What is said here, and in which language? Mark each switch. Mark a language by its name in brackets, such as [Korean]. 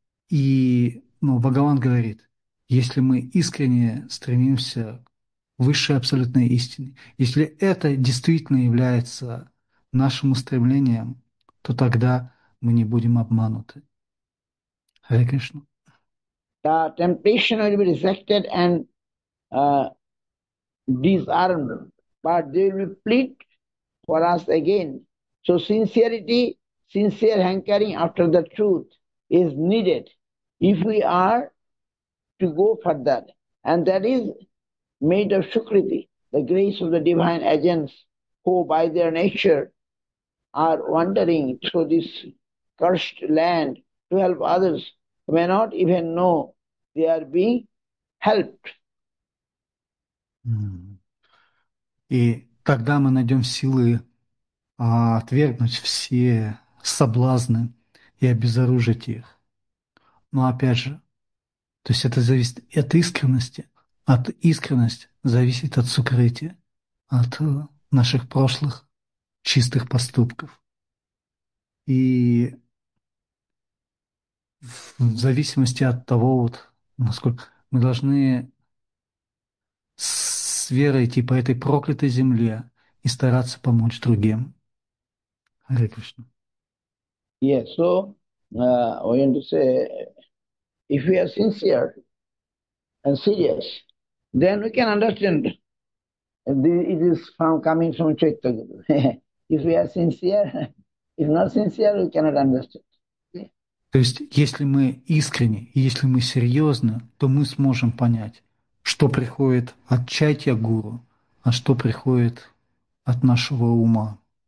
[Russian] Но Бхагаван говорит, если мы искренне стремимся к высшей абсолютной истине, если это действительно является нашим устремлением, то тогда мы не будем обмануты. Харе Кришна. [English] The temptation will be rejected and disarmed, but they will plead for us again. So sincerity, sincere hankering after the truth is needed if we are to go further. And that is made of Sukriti, the grace of the divine agents who by their nature are wandering through this cursed land to help others who may not even know they are being helped. [Russian] И тогда мы найдем силы отвергнуть все соблазны и обезоружить их. Но опять же, то есть это зависит от искренности, от искренности зависит от сокрытия, от наших прошлых чистых поступков. И в зависимости от того, вот, насколько мы должны с верой идти по этой проклятой земле и стараться помочь другим. Харе Кришна. [English] Yes, yeah, so I want to say, if we are sincere and serious, then we can understand it is from coming from Chaitanya Guru. If we are sincere, if not sincere, we cannot understand. [Russian] То есть, если мы искренне, если мы серьезно, то мы сможем понять. что приходит от чатья гуру, а что приходит от нашего ума.